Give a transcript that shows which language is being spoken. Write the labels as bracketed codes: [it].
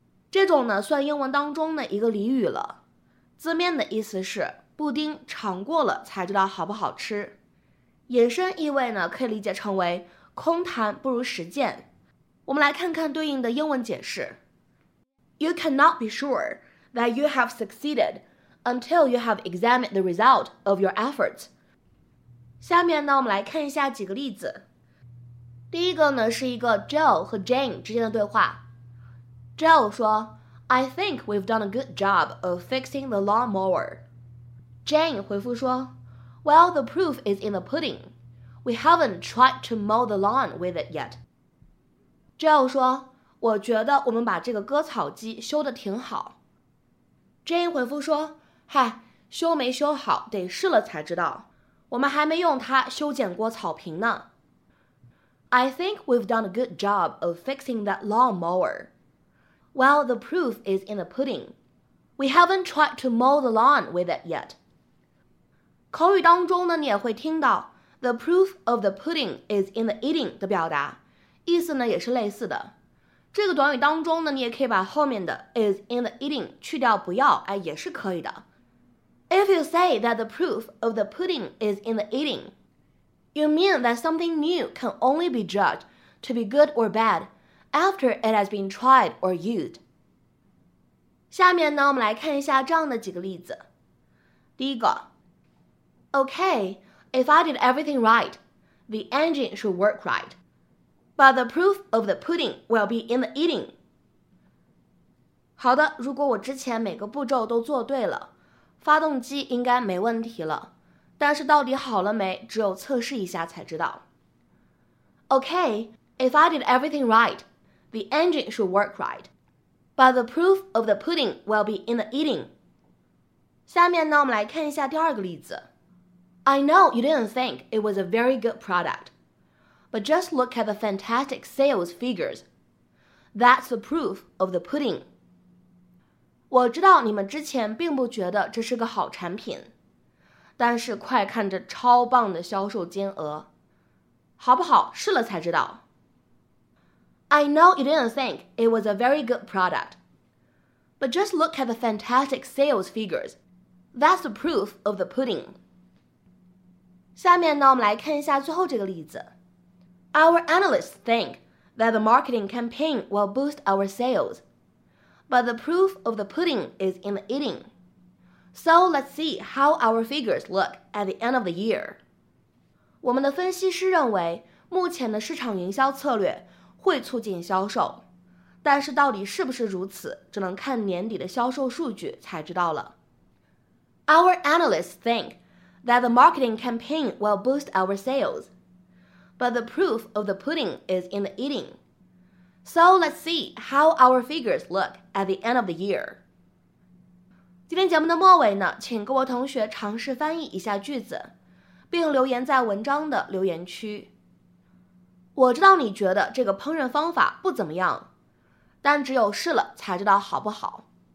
[zh] 这种呢，算英文当中的一个俚语了。字面的意思是，布丁尝过了才知道好不好吃。衍生意味呢，可以理解成为空谈不如实践。我们来看看对应的英文解释。 [en] You cannot be sure that you have succeeded until you have examined the result of your efforts. [zh] 下面呢，我们来看一下几个例子。第一个呢，是一个 Joe 和 Jane 之间的对话。Joe 说 [en] ,I think we've done a good job of fixing the lawnmower. [zh] Jane 回复说 [en] Well, the proof is in the pudding. We haven't tried to mow the lawn with it yet. [zh] Joe 说，我觉得我们把这个割草机修得挺好。 Jane 回复说，嗨，修没修好，得试了才知道。我们还没用它修剪过草坪呢。 [en] I think we've done a good job of fixing that lawn mower. Well, the proof is in the pudding. We haven't tried to mow the lawn with it yet. [zh] 口语当中呢，你也会听到 [en] the proof of the pudding is in the eating [zh] 的表达，意思呢也是类似的。这个短语当中呢，你也可以把后面的 [en] is in the eating [zh] 去掉不要，哎，也是可以的。 [en] If you say that the proof of the pudding is in the eating, you mean that something new can only be judged to be good or bad after it has been tried or used. [zh] 下面呢，我们来看一下这样的几个例子。第一个。 [en] Okay, if I did everything right, the engine should work right. But the proof of the pudding will be in the eating. [zh] 好的，如果我之前每个步骤都做对了，发动机应该没问题了。但是到底好了没，只有测试一下才知道。 [en] Okay, if I did everything right, the engine should work right. But the proof of the pudding will be in the eating. [zh] 下面呢，我们来看一下第二个例子。 [en] I know you didn't think it was a very good product, but just look at the fantastic sales figures. That's the proof of the pudding. [zh] 我知道你们之前并不觉得这是个好产品，但是快看这超棒的销售金额。好不好？试了才知道。 [en] I know you didn't think it was a very good product, but just look at the fantastic sales figures. That's the proof of the pudding. [zh] 下面呢，我们来看一下最后这个例子。 [en] Our analysts think that the marketing campaign will boost our sales, but the proof of the pudding is in the eating. So let's see how our figures look at the end of the year. [zh] 我们的分析师认为，目前的市场营销策略会促进销售，但是到底是不是如此，只能看年底的销售数据才知道了。 Our analysts think that the marketing campaign will boost our sales, but the proof of the pudding is in the eating. So let's see how our figures look at the end of the year. 今天节目的末尾呢，请各位同学尝试翻译一下句子，并留言在文章的留言区。我知道你觉得这个烹饪方法不怎么样，但只有试了才知道好不好。